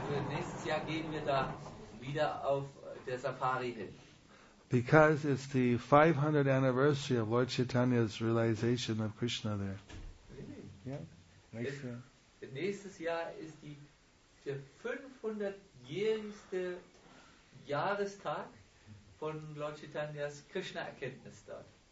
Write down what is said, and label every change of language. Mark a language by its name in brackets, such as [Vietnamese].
[German] Nächstes Jahr gehen wir da wieder auf der Safari hin. [English] Because it's the 500th anniversary of Lord Chaitanya's realization of Krishna there. Really? Yeah. [German] Nächstes Jahr ist der 500-jährigste Jahrestag von Lord Chaitanyas Krishna-Erkenntnis dort.